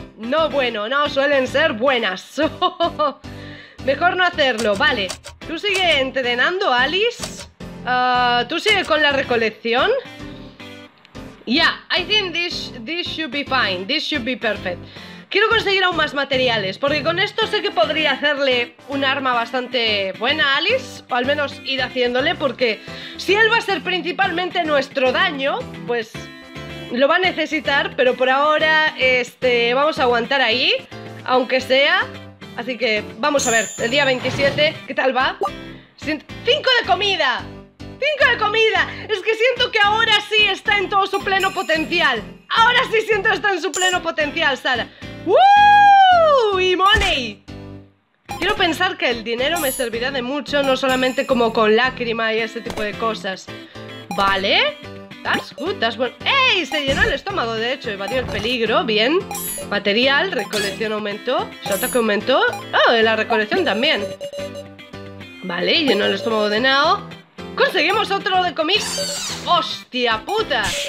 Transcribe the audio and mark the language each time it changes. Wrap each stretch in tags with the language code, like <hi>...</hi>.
<es>No, bueno, no, suelen ser buenas. Mejor no hacerlo, vale. ¿Tú sigue entrenando, Alice? ¿Tú sigue con la recolección?</es> <en>Yeah, I think this should be fine. This should be perfect.</en> <es>Quiero conseguir aún más materiales, porque con esto sé que podría hacerle un arma bastante buena a Alice, o al menos ir haciéndole, porque si él va a ser principalmente nuestro daño, pues lo va a necesitar, pero por ahora, vamos a aguantar ahí, aunque sea. Así que vamos a ver, el día 27, ¿qué tal va? ¡5 de comida! ¡5 de comida! Es que siento que ahora sí está en todo su pleno potencial. ¡Ahora sí siento que está en su pleno potencial, Sara! ¡Woo! ¡Y money! Quiero pensar que el dinero me servirá de mucho, no solamente como con lágrima y ese tipo de cosas. Vale,</es> <en>that's good, that's</en> <es>bueno. ¡Ey! Se llenó el estómago, de hecho, evadió el peligro, bien. Material, recolección aumentó, su ataque aumentó. ¡Oh! La recolección también. Vale, llenó el estómago de Nao. ¡Conseguimos otro de comis! ¡Hostia puta!</es>